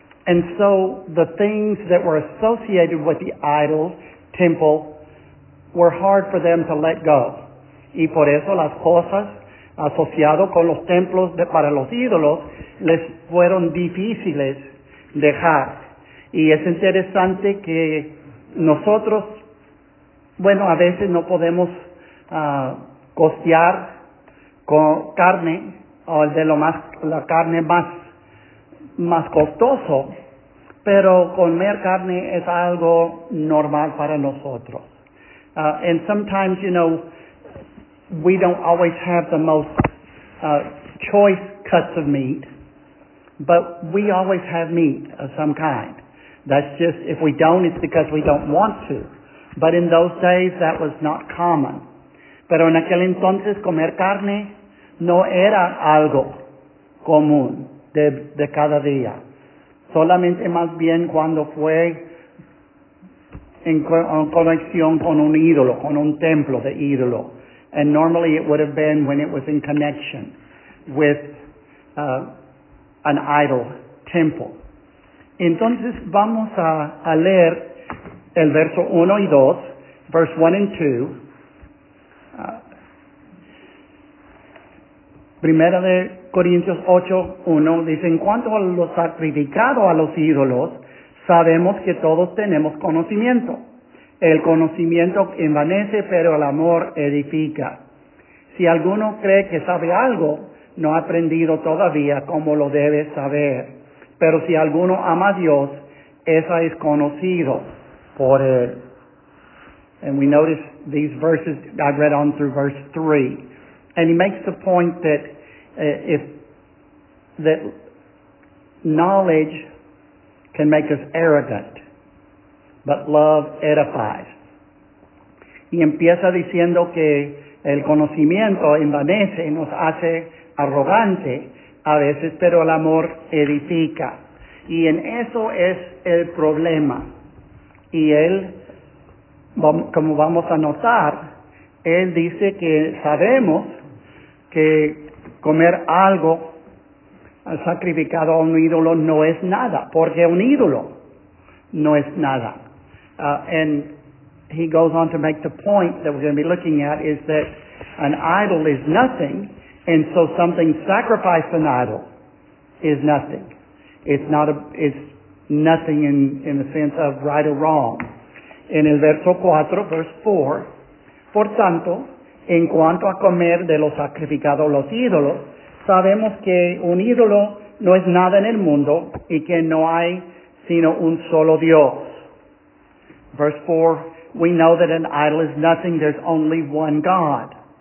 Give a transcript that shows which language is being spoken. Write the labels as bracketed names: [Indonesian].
[English] And so the things that were associated with the idols, temple, were hard for them to let go. [Spanish] Y por eso las cosas asociadas con los templos para los ídolos les fueron difíciles dejar. Y es interesante que nosotros, bueno, a veces no podemos costear con carne o la carne más costoso, pero comer carne es algo normal para nosotros. [English] And sometimes, you know, we don't always have the most choice cuts of meat, but we always have meat of some kind. That's just, if we don't, it's because we don't want to. But in those days, that was not common. [Spanish] Pero en aquel entonces, comer carne no era algo común de cada día. Solamente más bien cuando fue en conexión con un ídolo, con un templo de ídolo. [English] And normally it would have been when it was in connection with an idol temple. [Spanish] Entonces vamos a leer el verso 1 y 2, [English] verse 1 and 2. [Spanish] Primera de Corintios 8, 1 dice, en cuanto a lo sacrificado a los ídolos, sabemos que todos tenemos conocimiento. El conocimiento envanece, pero el amor edifica. Si alguno cree que sabe algo, no ha aprendido todavía como lo debe saber. Pero si alguno ama a Dios, esa es conocido por él. [English] And we notice these verses, I read on through verse 3. And he makes the point that that knowledge can make us arrogant, but love edifies. [Spanish] Y empieza diciendo que el conocimiento envanece y nos hace arrogante a veces, pero el amor edifica. Y en eso es el problema. Y él, como vamos a notar, él dice que sabemos que comer algo sacrificado a un ídolo no es nada, porque un ídolo no es nada. [English] And he goes on to make the point that we're going to be looking at is that an idol is nothing, and so something sacrificed to an idol is nothing. It's nothing in the sense of right or wrong. [Spanish] En el verso 4, [English] verse 4, [Spanish] por tanto, en cuanto a comer de lo sacrificado a los ídolos, sabemos que un ídolo no es nada en el mundo y que no hay sino un solo Dios. [English] Verse 4, we know that an idol is nothing, there's only one God.